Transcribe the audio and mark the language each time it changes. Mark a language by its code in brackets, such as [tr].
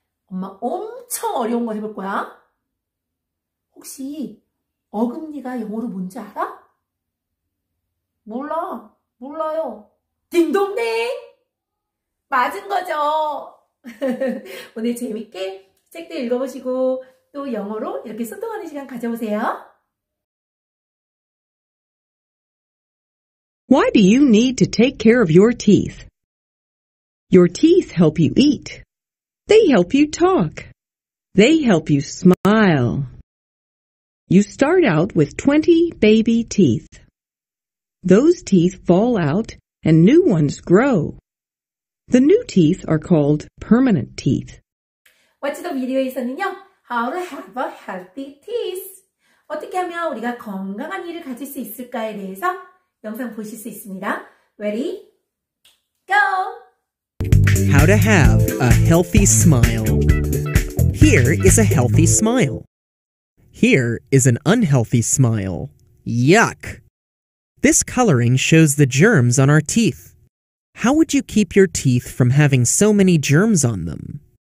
[ko] 엄마 엄청 어려운 거 해볼 거야. 혹시 어금니가 영어로 뭔지 알아? 몰라. 몰라요. 딩동댕! 맞은 거죠. 오늘 재밌게 책도 읽어보시고 또 영어로 이렇게 소통하는 시간 가져보세요. [en] Why do you need to take care of your teeth? Your teeth help you eat. They help you talk. They help you smile. You start out with 20 baby teeth. Those teeth fall out and new ones grow. The new teeth are called permanent teeth. Watch the video에서는요, How to have a healthy teeth. [ko] 어떻게 하면 우리가 건강한 이를 가질 수 있을까에 대해서 영상 보실 수 있습니다. [en] Ready? Go! How to have a healthy smile. Here is a healthy smile. Here is an unhealthy smile. Yuck! This coloring shows the germs on our teeth. How would you keep your teeth from having so many germs on them?